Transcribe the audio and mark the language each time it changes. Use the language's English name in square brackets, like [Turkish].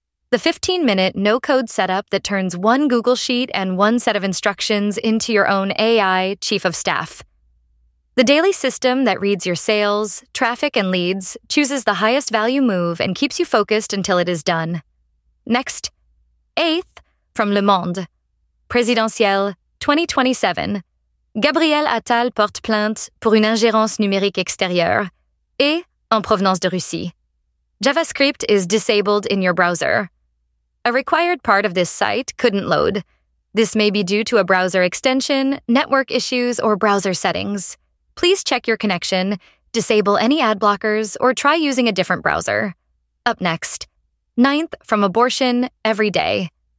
[English] The 15-minute no-code setup that turns one Google Sheet and one set of instructions into your own AI chief of staff. The daily system that reads your sales, traffic, and leads, chooses the highest value move, and keeps you focused until it is done. Next. Eighth. From Le Monde, Présidentiel, 2027. [French] Gabriel Attal porte plainte pour une ingérence numérique extérieure et en provenance de Russie. [English] JavaScript is disabled in your browser. A required part of this site couldn't load. This may be due to a browser extension, network issues, or browser settings. Please check your connection, disable any ad blockers, or try using a different browser. Up next. Ninth, from Abortion, Every Day.